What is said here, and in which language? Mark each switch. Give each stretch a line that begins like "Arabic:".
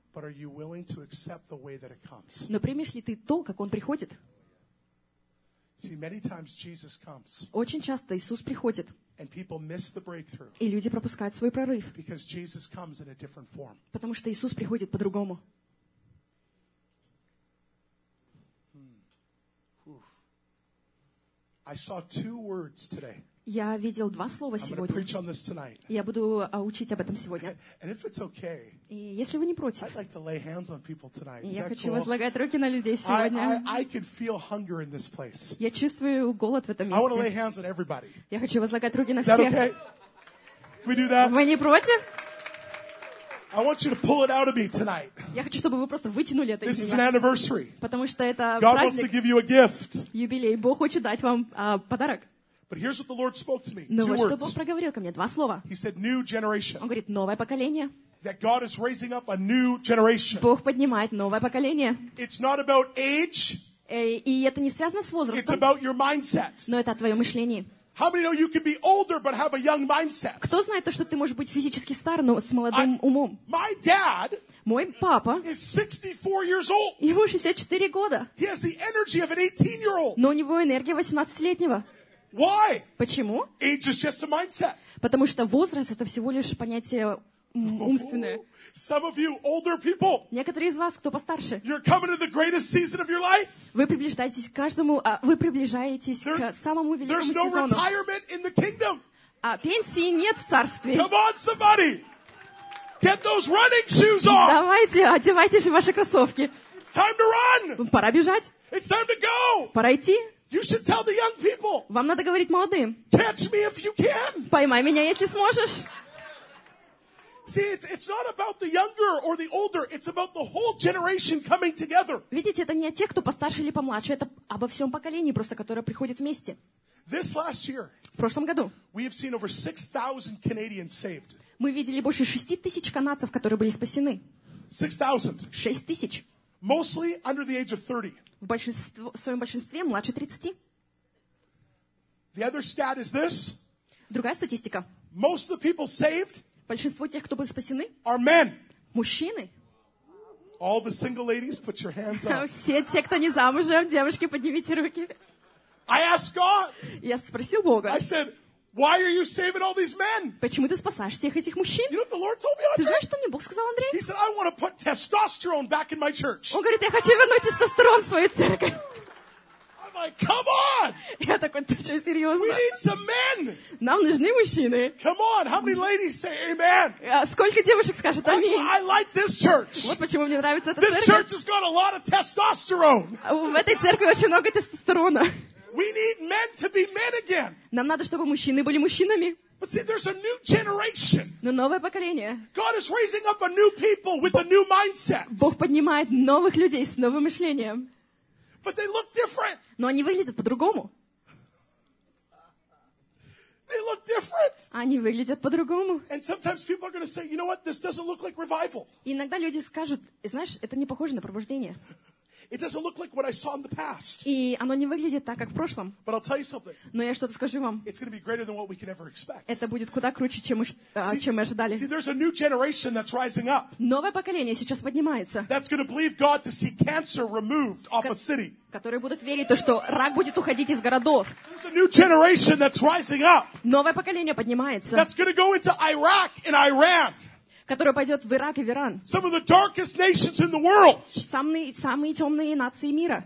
English: But are you willing to accept the way that it comes?
Russian: Но примешь ли ты то, как он приходит?
English: See, many times Jesus comes.
Russian: Очень часто Иисус приходит.
English: And people miss the breakthrough.
Russian: И люди пропускают свой прорыв.
English: Because Jesus comes in a different form.
Russian: Потому что Иисус приходит по-другому.
English: I saw two words today.
Russian: Я видел два слова сегодня.
English: I'm going to preach on this tonight.
Russian: Я буду учить об этом сегодня.
English: And if it's okay,
Russian: и если вы не против,
English: I'd like to lay hands on people tonight.
Russian: Я хочу возлагать руки на людей сегодня.
English: I can feel hunger in this place.
Russian: Я чувствую голод в этом месте.
English: I want to lay hands on everybody.
Russian: Я хочу возлагать руки на всех.
English: Is that okay? Can we do that?
Russian: Вы не против?
English: I want you to pull it out of me tonight.
Russian: Я хочу, чтобы вы просто вытянули это из меня.
English: This is an anniversary.
Russian: Потому что это праздник.
English: God wants to give you a gift.
Russian: Юбилей. Бог хочет дать вам подарок.
English: But here's what the Lord spoke to me.
Russian: Но
English: two
Russian: вот
English: words.
Russian: Что Бог проговорил ко мне. Два слова.
English: He said, "New generation."
Russian: Он говорит, новое поколение.
English: That God is raising up a new generation.
Russian: Бог поднимает новое поколение.
English: It's not about age.
Russian: И это не связано с возрастом.
English: It's about your mindset.
Russian: Но это о твоем мышлении.
English: How many know you can be older but have a young mindset?
Russian: Кто знает то, что ты можешь быть физически стар, но с молодым умом?
English: My dad.
Russian: Мой папа.
English: Is 64 years old.
Russian: Ему 64 года.
English: He has the energy of an 18-year-old.
Russian: Но у него энергия 18-летнего.
English: Why?
Russian: Почему?
English: Age is just a mindset.
Russian: Потому что возраст это всего лишь понятие умственное.
English: Some of you older people.
Russian: Некоторые из вас, кто постарше.
English: You're coming to the greatest season of your life.
Russian: Вы приближаетесь к самому великому сезону.
English: There's no retirement in the kingdom.
Russian: А пенсии нет в царстве.
English: Come on, somebody. Get those running shoes on.
Russian: Давайте, одевайте же ваши кроссовки.
English: It's time to run.
Russian: Пора бежать.
English: It's time to go.
Russian: Пора идти.
English: You should tell the young people.
Russian: Вам надо говорить молодым.
English: Catch me if you can.
Russian: Поймай меня, если сможешь.
English: See, it's not about the younger or the older. It's about the whole generation coming together.
Russian: Видите, это не о тех, кто постарше или помладше. Это обо всем поколении, просто которое приходит вместе.
English: This last year,
Russian: в прошлом году,
English: we have seen over 6,000 Canadians saved.
Russian: Мы видели больше 6,000 канадцев, которые были спасены.
English: 6,000.
Russian: 6,000.
English: Mostly under the age of 30.
Russian: В своем большинстве младше 30.
English: The other stat is this.
Russian: Другая статистика.
English: Most of the people saved.
Russian: Большинство тех, кто был спасены,
English: are men.
Russian: Мужчины.
English: All the single ladies, put your hands up.
Russian: Все те, кто не замужем, девушки, поднимите руки.
English: I asked God.
Russian: Я спросил Бога.
English: I said, why are you saving all these men?
Russian: Почему ты спасаешь всех этих мужчин?
English: You know what the Lord told me, Andre?
Russian: Ты знаешь, что мне Бог сказал, Андрей?
English: He said, I want to put testosterone back in my church.
Russian: Он говорит, я хочу вернуть тестостерон в свою церковь.
English: Come on!
Russian: Я такой, ты что, серьезно?
English: We need some men.
Russian: Нам нужны мужчины.
English: Come on, how many ladies say amen?
Russian: Сколько девушек скажет аминь?
English: I like this church.
Russian: Вот почему мне нравится эта
English: this
Russian: церковь.
English: This church has got a lot of testosterone.
Russian: В этой церкви очень много тестостерона.
English: We need men to be men again.
Russian: Нам надо, чтобы мужчины были мужчинами.
English: But see, there's a new generation.
Russian: Но новое поколение.
English: God is raising up a new people with a new mindset.
Russian: Бог поднимает новых людей с новым мышлением.
English: But they look different.
Russian: Но они выглядят по-другому.
English: They look different.
Russian: Они выглядят по-другому.
English: And sometimes people are going to say, you know what, this doesn't look like revival.
Russian: Иногда люди скажут, знаешь, это не похоже на пробуждение.
English: It doesn't look like what I saw in the past.
Russian: И оно не выглядит так, как в прошлом.
English: But I'll tell you something.
Russian: Но я что-то скажу вам.
English: It's going to be greater than what we could ever expect.
Russian: Это будет куда круче, чем мы ожидали.
English: See, there's a new generation that's rising up.
Russian: Новое поколение сейчас поднимается.
English: That's going to believe God to see cancer removed off a city.
Russian: Которые будут верить, что рак будет уходить из городов.
English: There's a new generation that's rising up.
Russian: Новое поколение поднимается.
English: That's going to go into Iraq and Iran.
Russian: Которая пойдет в Ирак и в Иран.
English: Some of the darkest nations in the world.
Russian: Самые темные нации мира.